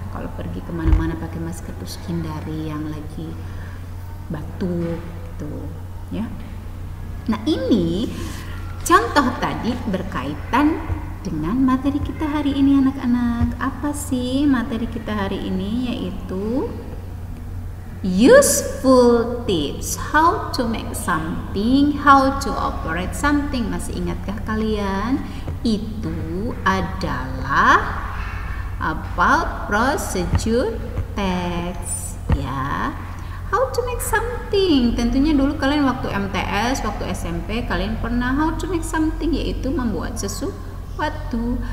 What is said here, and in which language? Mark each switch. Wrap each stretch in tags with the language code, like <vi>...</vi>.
<id>Kalau pergi kemana-mana pakai masker, terus hindari yang lagi batuk gitu, ya. Nah, ini contoh tadi berkaitan dengan materi kita hari ini, anak-anak. Apa sih materi kita hari ini?</id> <en>Yaitu useful tips, how to make something, how to operate something.</en> <id>Masih ingatkah kalian? Itu adalah</id> <en>about procedure text,</en> <id>ya.</id> <en>How to make something,</en> <id>tentunya dulu kalian waktu MTS, waktu SMP, kalian pernah</id> <en>how to make something,</en> <id>yaitu membuat sesuatu.</id>